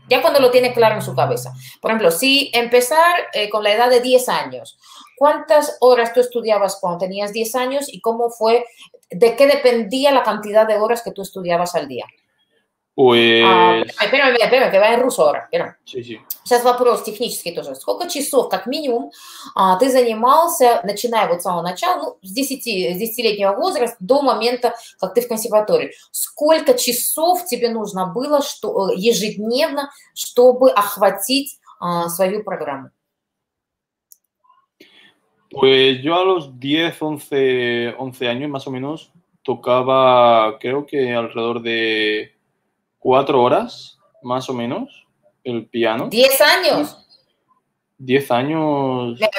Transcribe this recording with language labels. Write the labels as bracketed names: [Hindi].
[Spanish] Ya cuando lo tiene claro en su cabeza. Por ejemplo, si empezar con la edad de 10 años. ¿Cuántas horas tú estudiabas cuando tenías 10 años y cómo fue, de qué dependía la cantidad de horas que tú estudiabas al día? Pues Espérame, espérame, que va en ruso ahora. Espérame. sí. [Russian] Сейчас вопрос технический тоже. Сколько часов, как минимум, ты занимался, начиная вот с самого начала, ну, с 10-летнего возраста до момента, как ты в консерватории? Сколько часов тебе нужно было ежедневно, чтобы охватить свою программу? [Spanish] Pues yo a los 10, 11 años más o menos tocaba, creo que alrededor de 4 horas, más o menos, el piano. 10 Y años. 10 años,